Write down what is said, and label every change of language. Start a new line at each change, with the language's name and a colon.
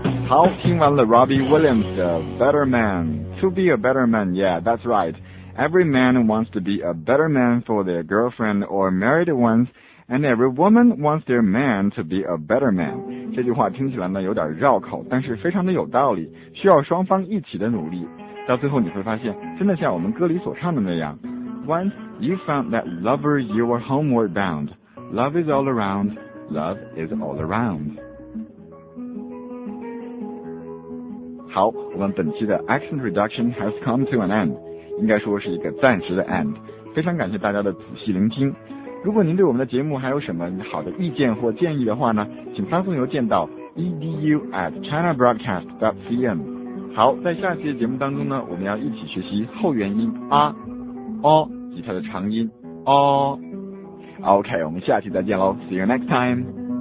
English: How
Chinese: 听完了
English: Robbie Williams 的 Better Man. To be a better man, yeah, that's right. Every man wants to be a better man for their girlfriend or married ones, and every woman wants their man to be a better man.
Chinese: 这句话听起来呢有点绕口，但是非常的有道理，需要双方一起的努力。到最后你会发现，真的像我们歌里所唱的那样 ，
English: Once you found that lover, you were homeward bound. Love is all around. Love is all around.
Chinese: 好，我们本期的
English: Accent Reduction has come to an end.
Chinese: 应该说是一个暂时的 end， 非常感谢大家的仔细聆听。如果您对我们的节目还有什么好的意见或建议的话呢，请发送邮件到 edu@chinabroadcast.cn。好，在下期的节目当中呢，我们要一起学习后元音啊、哦及它的长音哦。OK， 我们下期再见喽 ，
English: See you next time。